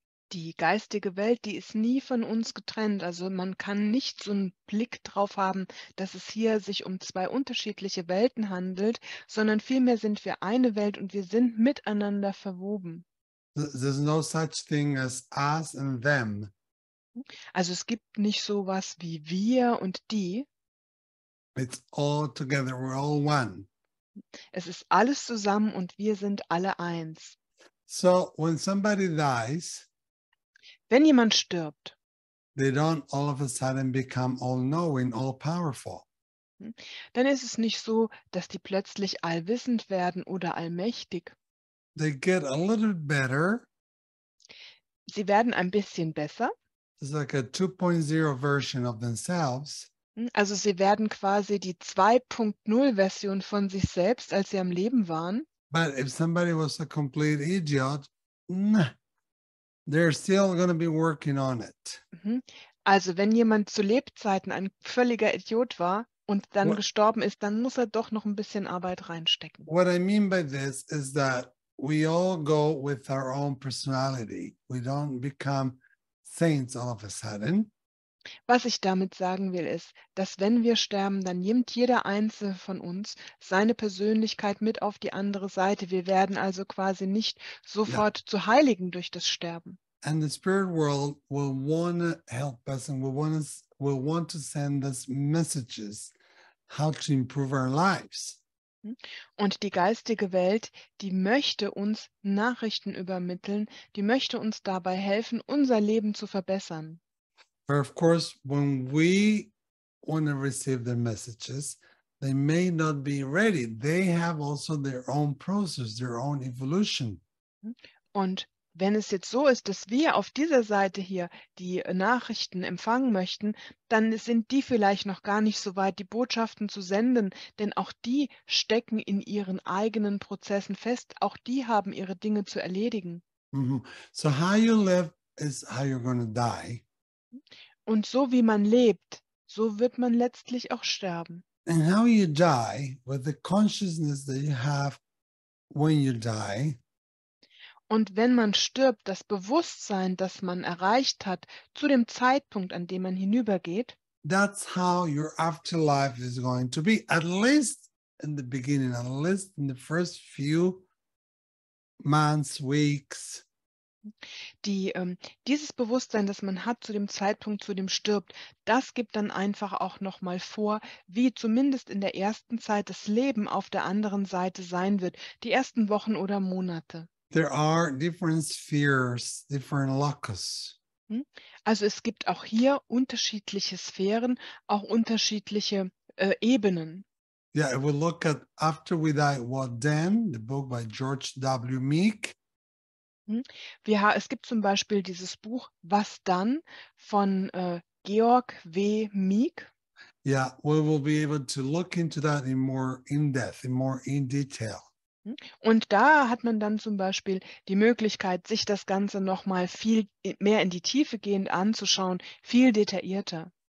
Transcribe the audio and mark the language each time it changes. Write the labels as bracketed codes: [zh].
[de] Die geistige Welt, die ist nie von uns getrennt. Also man kann nicht so einen Blick drauf haben, dass es hier sich um zwei unterschiedliche Welten handelt, sondern vielmehr sind wir eine Welt und wir sind miteinander verwoben. [en] There's no such thing as us and them. [de] Also es gibt nicht sowas wie wir und die. [en] It's all together, we're all one. [de] Es ist alles zusammen und wir sind alle eins. [en] So, when somebody dies, [de] wenn jemand stirbt, [en] they don't all of a sudden become all-knowing, all-powerful. [de] Dann ist es nicht so, dass die plötzlich allwissend werden oder allmächtig. [en] They get a little better. [de] Sie werden ein bisschen besser. [en] It's like a 2.0 version of themselves. [de] Also sie werden quasi die 2.0 Version von sich selbst, als sie am Leben waren. [en] But if somebody was a complete idiot, nah, they're still going to be working on it. [de] Also wenn jemand zu Lebzeiten ein völliger Idiot war und dann gestorben ist, dann muss er doch noch ein bisschen Arbeit reinstecken. [en] What I mean by this is that we all go with our own personality. We don't become saints all of a sudden. [de] Was ich damit sagen will, ist, dass wenn wir sterben, dann nimmt jeder Einzelne von uns seine Persönlichkeit mit auf die andere Seite. Wir werden also quasi nicht sofort zu Heiligen durch das Sterben. [en] And the spirit world will want to help us and will want to send us messages, how to improve our lives. [de] Und die geistige Welt, die möchte uns Nachrichten übermitteln, die möchte uns dabei helfen, unser Leben zu verbessern. [en] But of course, when we want to receive their messages, they may not be ready. They have also their own process, their own evolution. [de] Und wenn es jetzt so ist, dass wir auf dieser Seite hier die Nachrichten empfangen möchten, dann sind die vielleicht noch gar nicht so weit, die Botschaften zu senden, denn auch die stecken in ihren eigenen Prozessen fest. Auch die haben ihre Dinge zu erledigen. Mm-hmm. [en] So how you live is how you're going to die. [de] Und so wie man lebt, so wird man letztlich auch sterben. [en] And how you die with the consciousness that you have when you die. [de] Und wenn man stirbt, das Bewusstsein, das man erreicht hat, zu dem Zeitpunkt, an dem man hinübergeht. [en] That's how your afterlife is going to be, at least in the beginning, at least in the first few months, weeks. [de] Dieses Bewusstsein, das man hat zu dem Zeitpunkt, zu dem stirbt, das gibt dann einfach auch nochmal vor, wie zumindest in der ersten Zeit das Leben auf der anderen Seite sein wird, die ersten Wochen oder Monate. [en] There are different spheres, different locus. [de] Also es gibt auch hier unterschiedliche Sphären, auch unterschiedliche Ebenen. [en] Yeah, if we look at After We Die, What Then, the book by George W. Meek. [de] Es gibt zum Beispiel dieses Buch Was Dann von Georg W. Meek. [en] Yeah, we will be able to look into that in more in depth, in more in detail. [de] Und da hat man dann zum Beispiel die Möglichkeit, sich das Ganze nochmal viel mehr in die Tiefe gehend anzuschauen, viel detaillierter.